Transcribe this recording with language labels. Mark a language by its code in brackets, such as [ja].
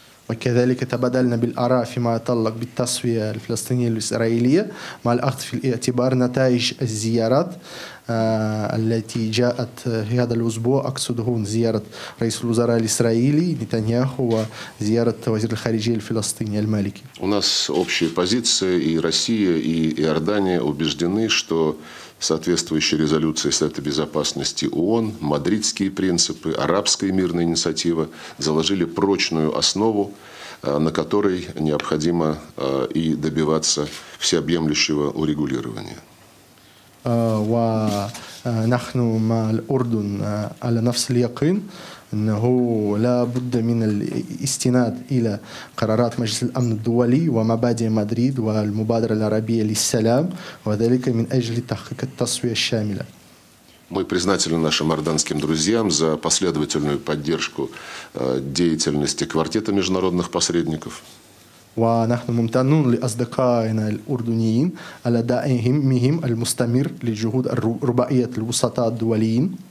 [ar] وكذلك تبادلنا بالآراء فيما يتعلق بالتصفية الفلسطينية الإسرائيلية مع الأخذ في الاعتبار نتائج الزيارات التي جاءت في هذا الأسبوع أقصد هون زيارة رئيس الوزراء الإسرائيلي نتنياهو وزيارة وزير الخارجية الفلسطيني المالكي. [ru] У нас общая позиция, и Россия, и Иордания убеждены, что соответствующая резолюция Совета Безопасности ООН, мадридские принципы, арабская мирная инициатива заложили прочную основу, на которой необходимо и добиваться всеобъемлющего урегулирования. [ar] ونحن مع الأردن على نفس اليقين أنه لا بد من الاستناد إلى قرارات مجلس الأمن الدولي ومبادئ مدريد والمبادرة العربية للسلام وذلك من أجل تحقيق التصفية الشاملة. [ru] Мы признательны нашим орданским друзьям за последовательную поддержку деятельности квартета международных посредников. [ar] ونحن ممتنون لأصدقائنا الأردنيين على دعمهم المستمر لجهود الرباعية الوسطاء الدوليين.